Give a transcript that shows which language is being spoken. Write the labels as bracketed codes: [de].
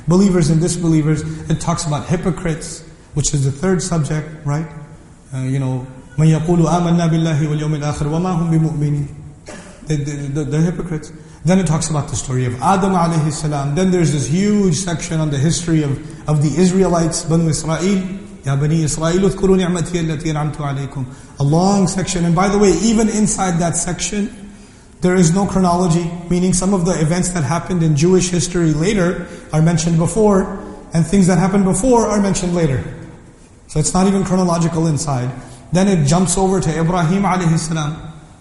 [en] Believers and disbelievers, it talks about hypocrites, which is the third subject, right? You know, [ar] مَنْ يَقُولُ آمَنَّا بِاللَّهِ وَالْيَوْمِ الْآخِرِ وَمَا هُمْ بِمُؤْمِنِينَ. [en] The hypocrites. Then it talks about the story of Adam alayhi salam. Then there's this huge section on the history of the Israelites, Banu Israel. [ar] Ya Bani Israel, اذكروا نعمتي التي أنعمت عليكم. [en] A long section. And by the way, even inside that section, there is no chronology, meaning some of the events that happened in Jewish history later are mentioned before, and things that happened before are mentioned later. So it's not even chronological inside. Then it jumps over to Ibrahim alayhi salam.